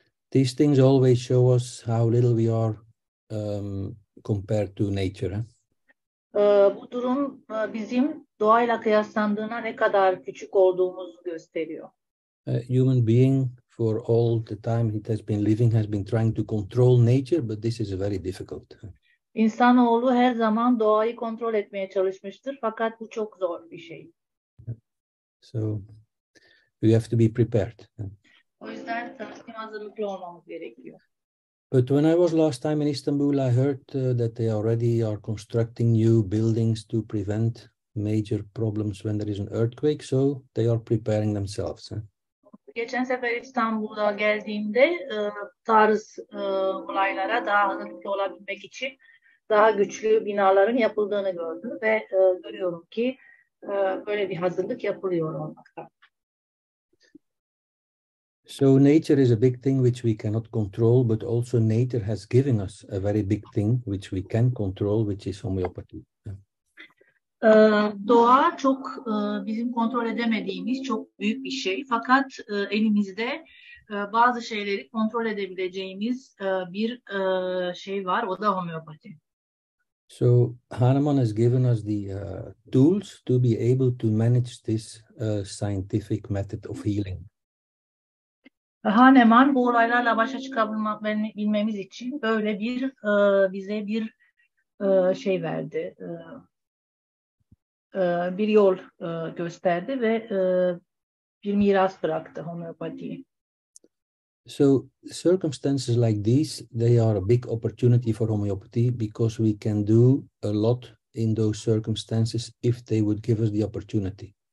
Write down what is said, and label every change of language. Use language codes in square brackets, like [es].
[en] These things always show us how little we are compared to nature. [tr] Bu durum bizim doğayla kıyaslandığına ne kadar küçük olduğumuzu gösteriyor. [en] A human being for all the time it has been living has been trying to control nature, but this is very difficult. [tr] İnsanoğlu her zaman doğayı kontrol etmeye çalışmıştır fakat bu çok zor bir şey. [en] So we have to be prepared. [tr] O yüzden tam hazırlıklı olmamız gerekiyor. [en] But when I was last time in Istanbul, I heard that they already are constructing new buildings to prevent major problems when there is an earthquake. So they are preparing themselves. [tr] Geçen sefer İstanbul'a geldiğimde tarz olaylara daha hazırlıklı olabilmek için daha güçlü binaların yapıldığını gördüm ve görüyorum ki böyle bir hazırlık yapılıyor olmakta. [en] So nature is a big thing which we cannot control, but also nature has given us a very big thing which we can control, which is homeopathy. [tr] Doğa çok bizim kontrol edemediğimiz çok büyük bir şey. Fakat elimizde bazı şeyleri kontrol edebileceğimiz bir şey var. O da homeopati. [en] So Hahnemann has given us the tools to be able to manage this scientific method of healing. [tr] Hahnemann bu olaylarla başa çıkabilmemiz için böyle bir bize bir şey verdi. Bir yol gösterdi ve bir miras bıraktı homeopatiyi. [en] So circumstances like these, they are a big opportunity for homeopathy because we can do a lot in those circumstances if they would give us the opportunity.